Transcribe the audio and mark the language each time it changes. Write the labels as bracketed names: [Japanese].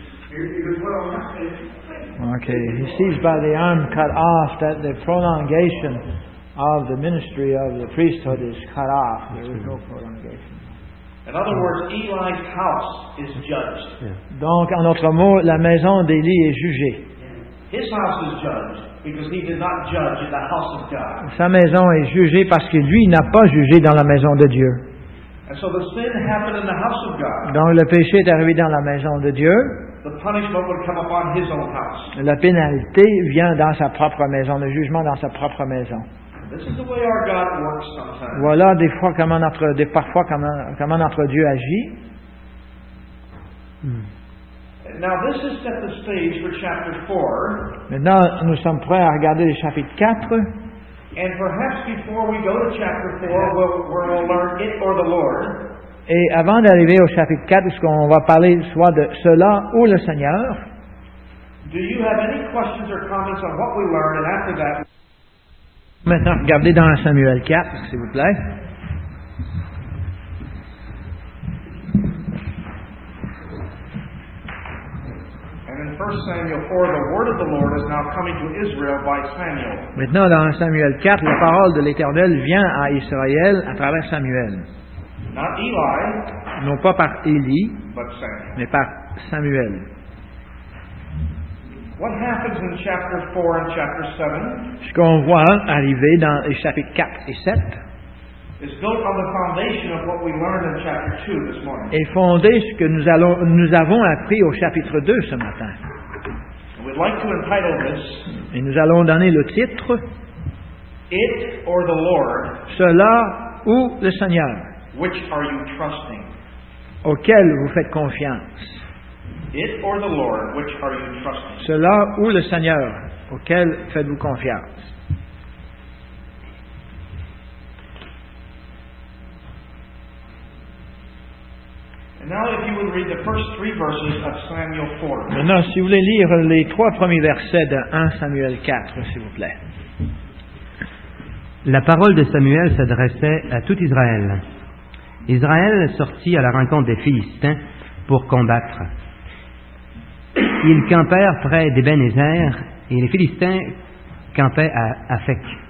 [English] Okay, he sees by the arm cut off that the prolongation of the ministry of the priesthood is cut off. There is no prolongation. In other words, Eli's house is judged. Yeah. [French] Donc, en autre mot, la maison d'Élie est jugée. [English] His house is judged because he did not judge in the house of God. [French] Sa maison est jugée parce que lui n'a pas jugé dans la maison de Dieu. [English] And so the sin happened in the house of God. [French] Donc, le péché est arrivé dans la maison de Dieu. [English] The punishment would come upon his own house. [French] La pénalité vient dans sa propre maison, le jugement dans sa propre maison. [English] This is the way our God works sometimes. [French] Voilà des fois comment notre, des parfois comment notre Dieu agit. [English] Now this is set the stage for chapter 4. [French] Maintenant, nous sommes prêts à regarder le chapitre 4. [English] And perhaps before we go to chapter 4, we'll learn it or the Lord. [French] Et avant d'arriver au chapitre 4, est-ce qu'on va parler soit de cela ou le Seigneur? [English] Do you have any questions or comments on what we learned, and after that? [French] Maintenant, regardez dans Samuel 4, s'il vous plaît. [English] And in 1 Samuel 4, the word of the Lord is now coming to Israel by Samuel. [French] Maintenant, dans Samuel 4, la parole de l'Éternel vient à Israël à travers Samuel. [English] Not Eli, [French] non pas par Élie, [English] but Samuel. [French] Mais par Samuel. [English] What happens in chapter 4 and chapter 7? [French] Ce qu'on voit arriver dans les chapitres 4 et 7 [English] is built on the foundation of what we learned in chapter 2 this morning. [French] Est fondé ce que nous avons appris au chapitre 2 ce matin. [English] We'd like to entitle this. [French] Et nous allons donner le titre. [English] It or the Lord. [French] Cela ou le Seigneur. [English] Which are you trusting? [French] Auquel vous faites confiance? [English] It or the Lord, which are you trusting? [French] Cela ou le Seigneur, auquel faites-vous confiance? [English] And now, if you would read the first three verses of Samuel 4. [French] Maintenant, si vous voulez lire les trois premiers versets de 1 Samuel 4, s'il vous plaît. La parole de Samuel s'adressait à tout Israël. Israël sortit à la rencontre des Philistins pour combattre. Ils campèrent près d'Ébénézer et les Philistins campaient à Aphek.